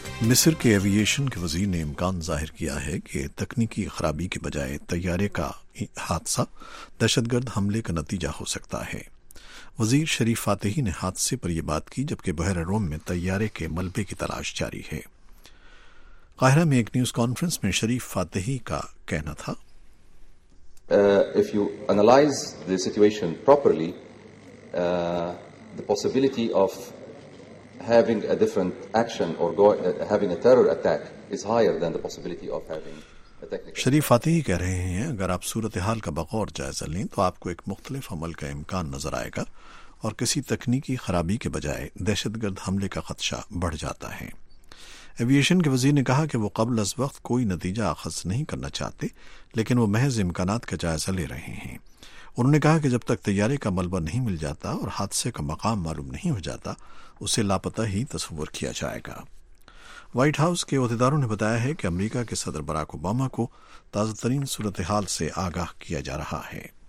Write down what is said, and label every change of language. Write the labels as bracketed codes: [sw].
[ur] مصر کے ایویشن کے وزیر نے امکان ظاہر کیا ہے کہ تکنیکی خرابی کے بجائے طیارے کا حادثہ دہشت گرد حملے کا نتیجہ ہو سکتا ہے۔ وزیر شریف فاتحی نے حادثے پر یہ بات کی جبکہ بحیرہ روم میں طیارے کے ملبے کی تلاش جاری ہے۔ قاہرہ میں ایک نیوز کانفرنس میں شریف فاتحی کا کہنا تھا، [en] If you analyze the situation properly, the possibility of having a different action or having a terror attack is higher than the possibility of having a technical... [ur] شریف فاتحی کہہ رہے ہیں، اگر آپ صورتحال کا بغور جائزہ لیں تو آپ کو ایک مختلف عمل کا امکان نظر آئے گا اور کسی تکنیکی خرابی کے بجائے دہشت گرد حملے کا خدشہ بڑھ جاتا ہے۔ ایویشن کے وزیر نے کہا کہ وہ قبل از وقت کوئی نتیجہ اخذ نہیں کرنا چاہتے، لیکن وہ محض امکانات کا جائزہ لے رہے ہیں۔ انہوں نے کہا کہ جب تک طیارے کا ملبہ نہیں مل جاتا اور حادثے کا مقام معلوم نہیں ہو جاتا، اسے لاپتہ ہی تصور کیا جائے گا۔ وائٹ ہاؤس کے عہدیداروں نے بتایا ہے کہ امریکہ کے صدر براک اوباما کو تازہ ترین صورتحال سے آگاہ کیا جا رہا ہے۔